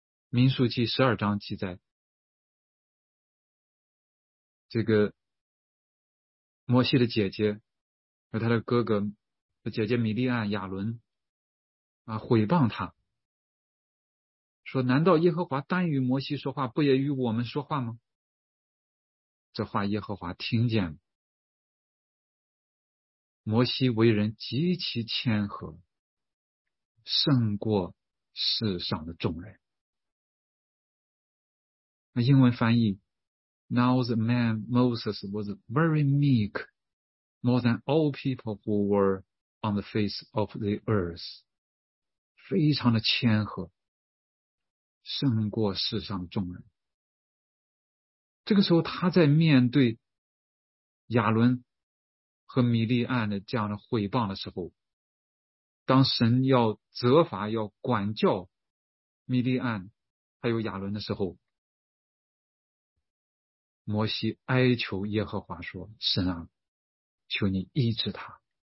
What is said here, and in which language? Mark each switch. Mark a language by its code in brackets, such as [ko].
[zh] 民数记12章记载，这个摩西的姐姐和他的哥哥，姐姐米利安、亚伦啊，毁谤他说，难道耶和华单与摩西说话，不也与我们说话吗？这话耶和华听见了。摩西为人极其谦和，胜过世上的众人。那英文翻译 [en] Now the man Moses was very meek, more than all people who were on the face of the earth. [zh] 非常的谦和，胜过世上众人。这个时候他在面对亚伦和米利安的这样的毁谤的时候，当神要责罚要管教米利安还有亚伦的时候，摩西哀求耶和华说，神啊，求你医治他。